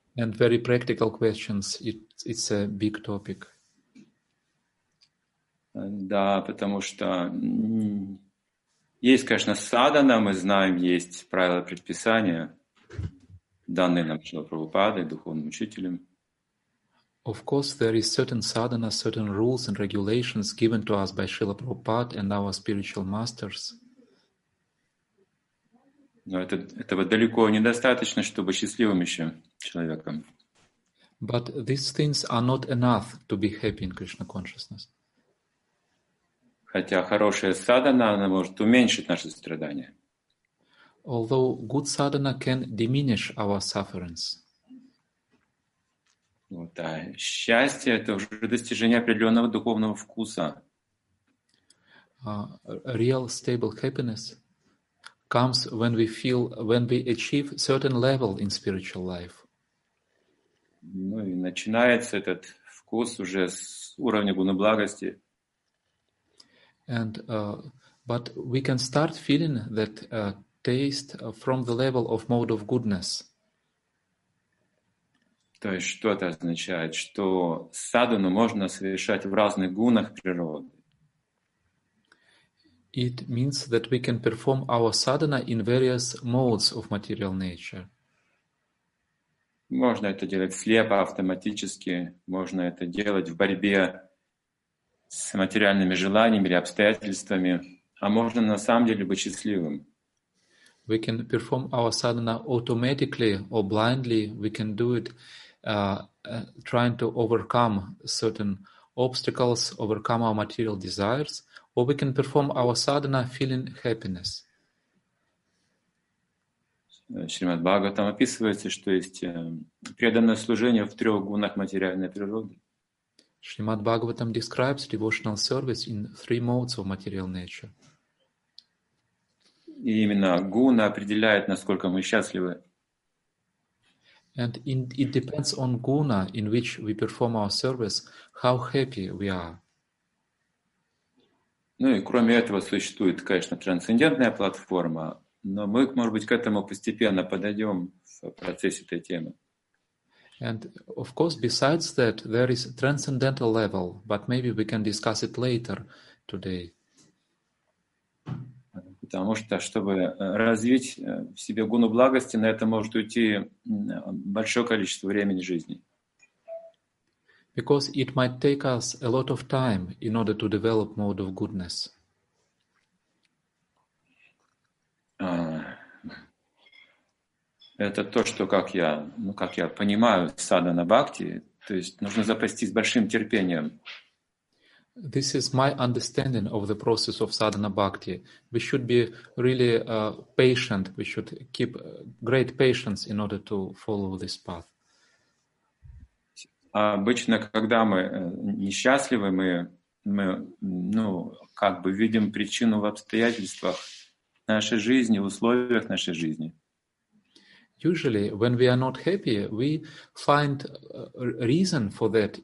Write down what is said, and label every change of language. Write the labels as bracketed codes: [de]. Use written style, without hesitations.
[en] And very practical questions. It's a big topic. [ru] Да, потому что есть, конечно, садхана, мы знаем, есть правила предписания, данные нам Шрила Прабхупадой, духовным учителем. [en] Of course, there is certain sadhana, certain rules and regulations given to us by Srila Prabhupada and our spiritual masters. [ru] Но этого далеко недостаточно, чтобы счастливым еще человеком. [en] But these things are not enough to be happy in Krishna consciousness. [ru] Хотя хорошая sadhana, она может уменьшить наши страдания. [en] Although good sadhana can diminish our sufferings. [ru] Вот, а счастье — это уже достижение определенного духовного вкуса. [en] Real stable happiness comes when we feel, when we achieve certain level in spiritual life. [ru] Ну и начинается этот вкус уже с уровня гуна благости. [en] And but we can start feeling that taste from the level of mode of goodness. [ru] То есть, что это означает? Что садхану можно совершать в разных гунах природы. [en] It means that we can perform our sadhana in various modes of material nature. [ru] Можно это делать слепо, автоматически. Можно это делать в борьбе с материальными желаниями или обстоятельствами. А можно на самом деле быть счастливым. [en] We can perform our sadhana automatically or blindly. We can do it trying to overcome certain obstacles, overcome our material desires. Or we can perform our sadhana feeling happiness. [ru] Шримад Бхагаватам описывается, что есть преданное служение в трех гунах материальной природы. [en] Шримад Бхагаватам describes devotional service in three modes of material nature. [ru] И именно гуна определяет, насколько мы счастливы. [en] And it depends on guna in which we perform our service, how happy we are. [ru] Ну и кроме этого существует, конечно, трансцендентная платформа, но мы, может быть, к этому постепенно подойдем в процессе этой темы. [en] And of course, besides that, there is transcendental level, but maybe we can discuss it later today. [ru] Потому что, чтобы развить в себе гуну благости, на это может уйти большое количество времени жизни. [en] Because it might take us a lot of time in order to develop mode of goodness. [ru] Это то, что как я понимаю, садхана бхакти, то есть нужно запастись большим терпением. [en] This is my understanding of the process of sadhana bhakti. We should be really patient. We should keep great patience in order to follow this path. [ru] Обычно, когда мы несчастливы, мы как бы видим причину в обстоятельствах нашей жизни, в условиях нашей жизни. [en] Usually, when we are not happy, we find reason for that.